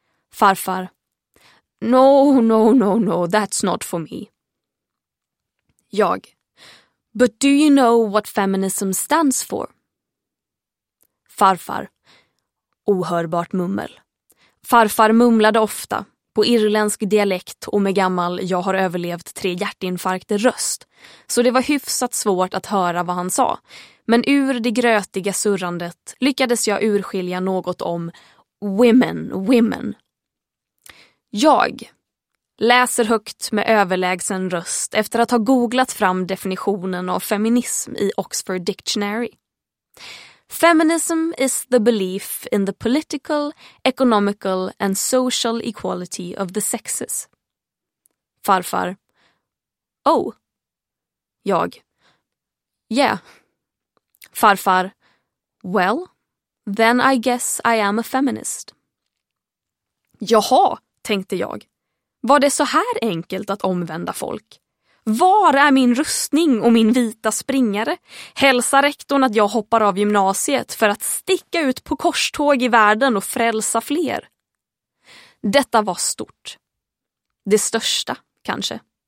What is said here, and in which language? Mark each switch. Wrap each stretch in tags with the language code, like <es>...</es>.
<en>Farfar: No, no, no, no, that's not for me. Jag: But do you know what feminism stands for?</en> <sv>Farfar: Ohörbart mummel. Farfar mumlade ofta, på irländsk dialekt och med gammal jag har överlevt 3 hjärtinfarkter röst, så det var hyfsat svårt att höra vad han sa. Men ur det grötiga surrandet lyckades jag urskilja något om</sv> <en>women, women.</en> <sv>Jag läser högt med överlägsen röst efter att ha googlat fram definitionen av feminism i Oxford Dictionary.</sv> <en>Feminism is the belief in the political, economical and social equality of the sexes. Farfar: Oh. Jag: Yeah. Farfar: Well, then I guess I am a feminist.</en> <sv>Jaha, tänkte jag. Var det så här enkelt att omvända folk? Var är min rustning och min vita springare? Hälsa rektorn att jag hoppar av gymnasiet för att sticka ut på korståg i världen och frälsa fler. Detta var stort. Det största, kanske.</sv>